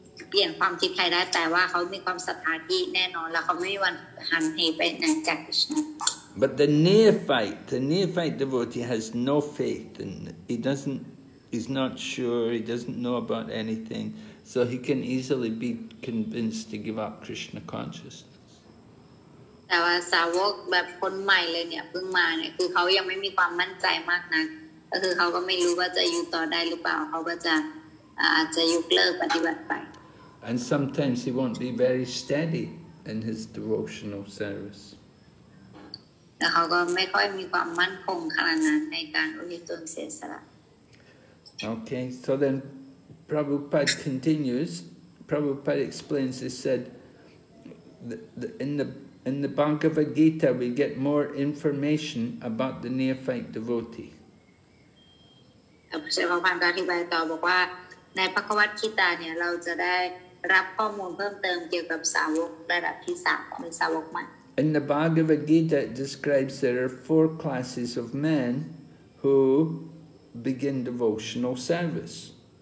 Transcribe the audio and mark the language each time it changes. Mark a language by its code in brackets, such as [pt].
[th] เปลี่ยนความคิดใครได้แต่ว่าเขามีความศรัทธาที่แน่นอนแล้วเขาไม่มีวันหันเหไปไหนจาก [en] But the neophyte devotee has no faith, and he's not sure, he doesn't know about anything, so he can easily be convinced to give up Krishna consciousness. [th] แต่ว่าสาวกแบบคนใหม่เลยเนี่ยเพิ่งมาเนี่ยคือเขายังไม่มีความมั่นใจมากนักก็คือเขาก็ไม่รู้ว่าจะอยู่ต่อได้หรือเปล่าเขาก็จะยกเลิกปฏิบัติไป [en] And sometimes he won't be very steady in his devotional service. [th] แต่เขาก็ไม่ค่อยมีความมั่นคงขนาดนั้นในการอุทิศตนเสียสละ [en] Okay, so then Prabhupada continues. Prabhupada explains. He said, in the Bhagavad Gita, we get more information about the neophyte devotee. [th] พระเจ้าพระพันธ์การที่ไปต่อบอกว่าในพระคัมภีร์กีตาเนี่ยเราจะได้รับข้อมูลเพิ่มเติมเกี่ยวกับสาวกระดับที่สามเป็นสาวกใหม่ [en] In the Bhagavad Gita, it describes there are four classes of men who begin devotional service.